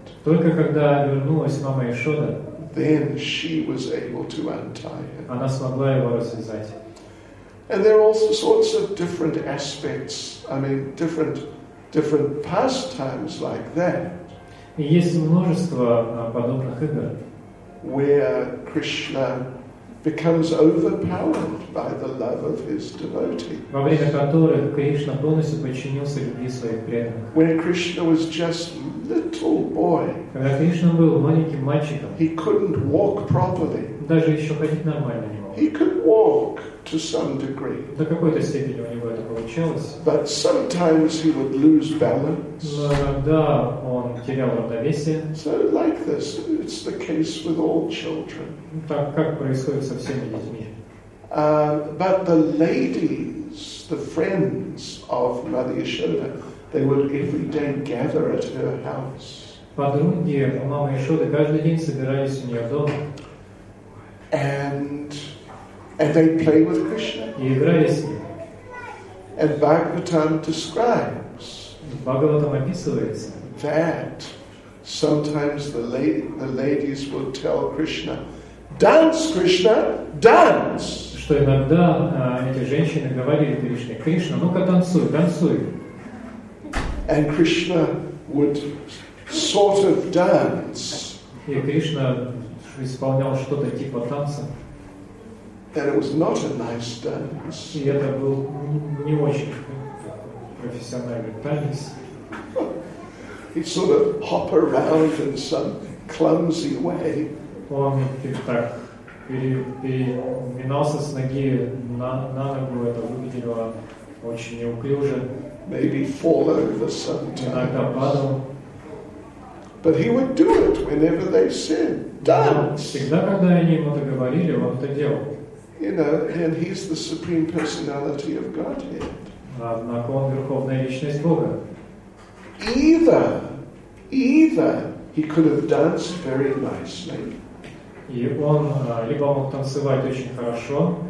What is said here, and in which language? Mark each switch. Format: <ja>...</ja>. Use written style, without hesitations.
<ru>Только когда вернулась Мама Ишода.</ru> <en>Then she was able to untie him.</en> <ru>Она смогла его развязать.</ru> <en>And there are all sorts of different aspects. I mean, different pastimes like that.</en> <ru>И есть множество подобных игр.</ru> <en>Where Krishna becomes overpowered by the love of his devotee.</en> <ru>Во время которых Кришна полностью подчинился любви своих преданных.</ru> <en>When Krishna was just little boy.</en> <ru>Когда Кришна был маленьким мальчиком.</ru> <en>He couldn't walk properly.</en> <ru>Даже еще ходить нормально не мог.</ru> <en>He could walk to some degree.</en> <ru>До какой-то степени у него это получалось.</ru> <en>But sometimes he would lose balance.</en> <ru>Но иногда он терял равновесие.</ru> <en>So like this, it's the case with all children.</en> <ru>Так как происходит со всеми детьми.</ru> <en>But the ladies, the friends of Mother Yashoda, they would every day gather at her house.</en> <ru>Подруги Мамы Ишоды каждый день собирались у нее дома.</ru> <en>And they play with Krishna.</en> <ru>И играли с ним.</ru> <en>And Bhagavatam describes.</en> <ru>Бхагаватам описывается.</ru> <en>That sometimes the ladies will tell Krishna, dance, Krishna, dance.</en> <ru>Что иногда эти женщины говорили Кришне, Кришна, ну-ка танцуй, танцуй.</ru> <en>And Krishna would sort of dance.</en> <ru>И Кришна исполнял что-то типа танца.</ru> <en>That it was not a nice dance.</en> <ru>И это был не очень профессиональный танец.</ru> <en>He'd sort of hop around in some clumsy way.</en> <ru>Он так переминался с ноги на ногу, это выглядело очень неуклюже.</ru> <en>Maybe fall over sometimes.</en> <ru>Иногда падал.</ru> <en>But he would do it whenever they said, dance.</en> <ru>Всегда, когда они ему это говорили, он это делал.</ru> <en>You know, and he's the supreme personality of Godhead.</en> <ru>Однако он верховная личность Бога.</ru> <en>Either he could have danced very nicely.</en> <ru>И он либо мог танцевать очень хорошо.</ru>